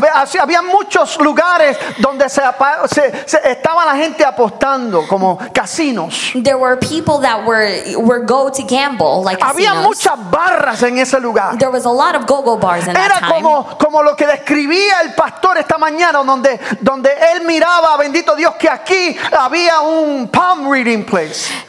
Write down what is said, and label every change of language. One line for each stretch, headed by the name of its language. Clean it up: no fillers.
Spanish: Había muchos lugares donde se estaba la gente apostando, como casinos.
English: There were people that were go to gamble, like casinos.
Spanish: Había muchas barras en ese lugar.
English: There was a lot of go-go bars in that time.
Spanish: Era como lo que describía el pastor esta mañana, donde él miraba, bendito Dios, que aquí había un
English: palm reading place.